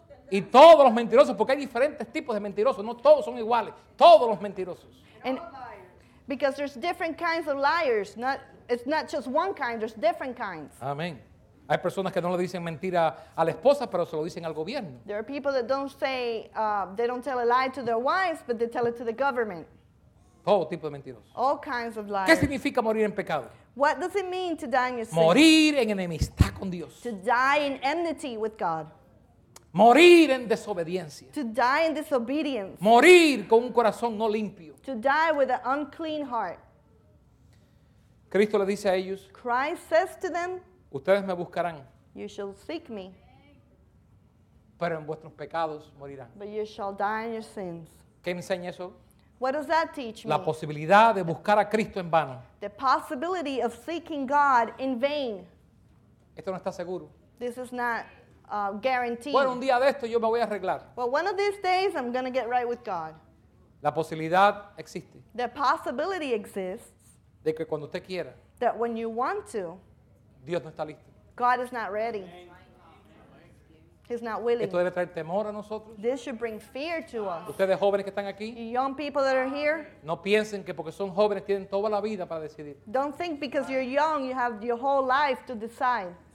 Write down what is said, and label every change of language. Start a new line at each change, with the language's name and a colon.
Spanish: Y todos los mentirosos, porque hay diferentes tipos de mentirosos, no todos son iguales, todos los mentirosos.
English: And because there's different kinds of liars, not it's not just one kind, there's different kinds.
Spanish: Amén. Hay personas que no le dicen mentira a la esposa, pero se lo dicen al gobierno.
English: There are people that don't say they don't tell a lie to their wives, but they tell it to the government.
Spanish: Todo tipo de mentirosos.
English: All kinds of liars.
Spanish: ¿Qué significa morir en pecado?
English: What does it mean to die in your sin?
Spanish: Morir en enemistad con Dios.
English: To die in enmity with God.
Spanish: Morir en desobediencia.
English: To die in disobedience.
Spanish: Morir con un corazón no limpio.
English: To die with an unclean heart.
Spanish: Cristo le dice a ellos.
English: Christ says to them.
Spanish: Ustedes me buscarán.
English: You shall seek me.
Spanish: Pero en vuestros pecados morirán.
English: But you shall die in your sins.
Spanish: ¿Qué enseña eso?
English: What does that teach me?
Spanish: La posibilidad de buscar a Cristo en vano.
English: The possibility of seeking God in vain.
Spanish: Esto no está seguro.
English: This is not guaranteed.
Spanish: Bueno, un día de esto yo me voy a arreglar.
English: Well, one of these days I'm going to get right with God.
Spanish: La posibilidad existe.
English: The possibility exists.
Spanish: De que cuando usted quiera.
English: That when you want to.
Spanish: Dios no está listo.
English: God is not ready. He's not willing.
Spanish: Esto debe traer temor a nosotros.
English: This should bring fear to us.
Spanish: Ustedes jóvenes que están aquí.
English: Young people that are here.
Spanish: No piensen que porque son jóvenes tienen toda la vida para decidir.
English: Don't think because you're young you have your whole life to decide.